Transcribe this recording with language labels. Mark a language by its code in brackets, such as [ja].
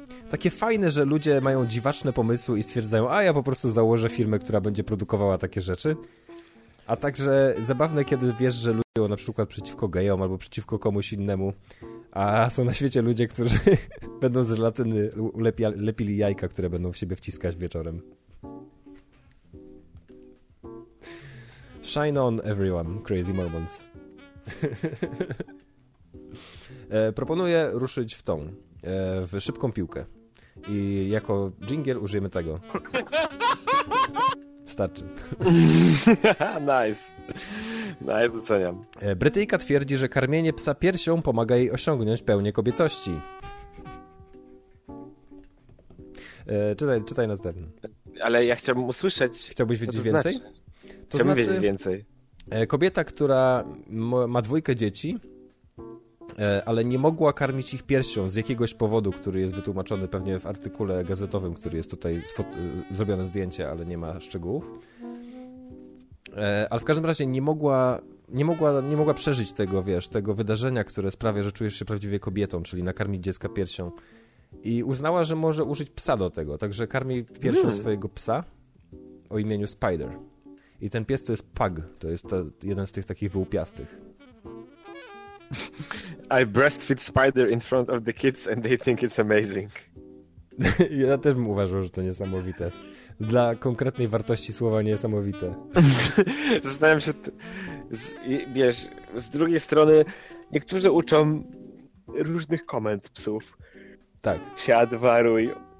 [pl] takie fajne, że ludzie mają dziwaczne pomysły i stwierdzają, a ja po prostu założę firmę, która będzie produkowała takie rzeczy. A także zabawne, kiedy wiesz, że ludzie na przykład przeciwko gejom albo przeciwko komuś innemu, a są na świecie ludzie, którzy będą z żelatyny lepili jajka, które będą w siebie wciskać wieczorem. [en] Shine on everyone, crazy Mormons. [pl] Proponuję ruszyć w tą, w szybką piłkę. I jako dżingiel użyjemy tego. Starczy. [en] Nice. Nice, [pl] doceniam. Brytyjka twierdzi, że karmienie psa piersią pomaga jej osiągnąć pełnię kobiecości. Czytaj następny. Ale ja chciałbym usłyszeć. Chciałbyś wiedzieć to więcej? To chciałbym wiedzieć więcej. Kobieta, która ma dwójkę dzieci, ale nie mogła karmić ich piersią z jakiegoś powodu, który jest wytłumaczony pewnie w artykule gazetowym, który jest tutaj zrobione zdjęcie, ale nie ma szczegółów. Ale w każdym razie nie mogła przeżyć tego, wiesz, tego wydarzenia, które sprawia, że czujesz się prawdziwie kobietą, czyli nakarmić dziecka piersią. I uznała, że może użyć psa do tego. Także karmi piersią swojego psa o imieniu Spider. I ten pies to jest Pug. To jest jeden z tych takich wyłupiastych. [en] I breastfeed spider in front of the kids and they think it's amazing. [pl] Ja też bym uważał, że to niesamowite. Dla konkretnej wartości słowa niesamowite. Zastanawiam się, wiesz, z drugiej strony niektórzy uczą różnych komend psów. Tak. Siad, waruj.